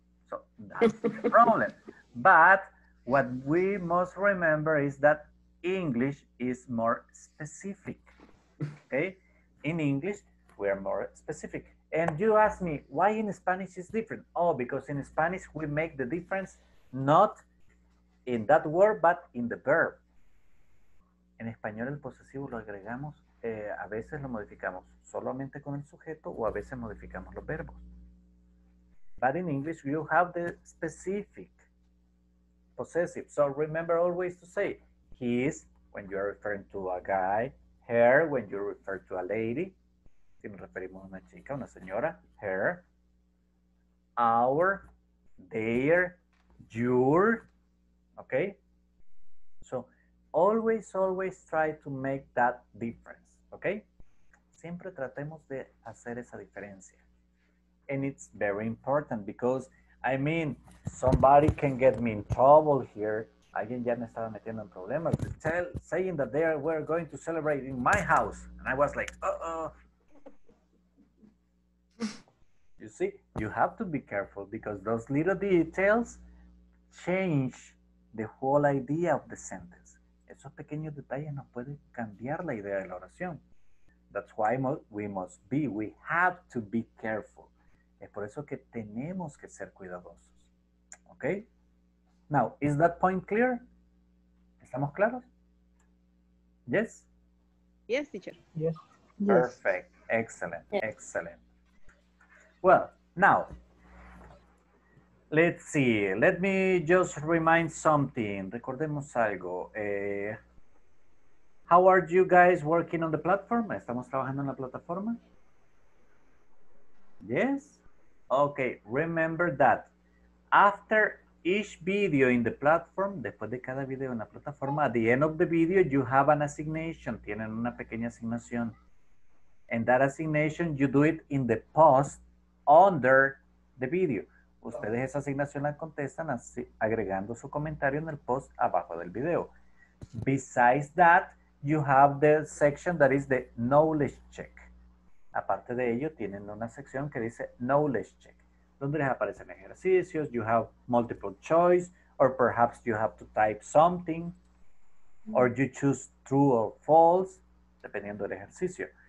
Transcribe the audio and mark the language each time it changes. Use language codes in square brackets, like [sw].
[en] So that's the problem. But what we must remember is that English is more specific. Okay? In English, we are more specific. And you ask me, why in Spanish is different? Oh, because in Spanish, we make the difference not in that word, but in the verb. [es] español el posesivo lo agregamos, a veces lo modificamos solamente con el sujeto o a veces modificamos los verbos. [en] But in English, you have the specific possessive. So remember always to say his when you are referring to a guy, her when you refer to a lady, [es] si nos referimos a una chica, una señora, [en] her, our, their, your, okay? So always, always try to make that difference, okay? [es] Siempre tratemos de hacer esa diferencia. [en] And it's very important because, I mean, somebody can get me in trouble here. [es] Alguien ya me estaba metiendo en problemas. [en] Saying that they were going to celebrate in my house. And I was like, uh-oh. You see, you have to be careful because those little details change the whole idea of the sentence. [es] Esos pequeños detalles no pueden cambiar la idea de la oración. [en] That's why we have to be careful. [es] Es por eso que tenemos que ser cuidadosos. [en] Okay? Now, is that point clear? [es] ¿Estamos claros? [en] Yes? Yes, teacher. Yes. Perfect. Excellent. Yes. Excellent. Well, now, let's see. Let me just remind something. [es] Recordemos algo. [en] How are you guys working on the platform? [es] ¿Estamos trabajando en la plataforma? [en] Yes? Okay, remember that after each video in the platform, [es] después de cada video en la plataforma, [en] at the end of the video, you have an assignation. [es] Tienen una pequeña asignación. [en] And that assignation, you do it in the post under the video. [es] Ustedes esa asignación la contestan así, agregando su comentario en el post abajo del video. [en] Besides that, you have the section that is the knowledge check. [es] Aparte de ello, tienen una sección que dice Knowledge Check, donde les aparecen ejercicios, [en] you have multiple choice, or perhaps you have to type something, or you choose true or false, [es] dependiendo del ejercicio.